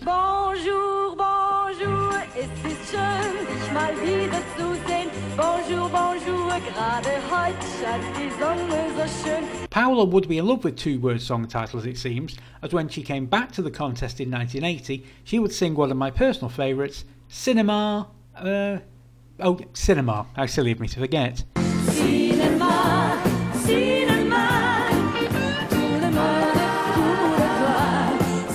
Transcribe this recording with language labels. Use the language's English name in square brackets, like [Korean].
[French] Bonjour, bonjour, [German] es ist schön, dich mal wieder zu sehen. [French] Bonjour, bonjour, [German] gerade heute scheint die Sonne so schön. [English] Paola would be in love with two-word song titles, it seems, as when she came back to the contest in 1980, she would sing one of my personal favourites, Cinema, how silly of me to forget. [French] Cinema, cinema, tout le monde court à toi.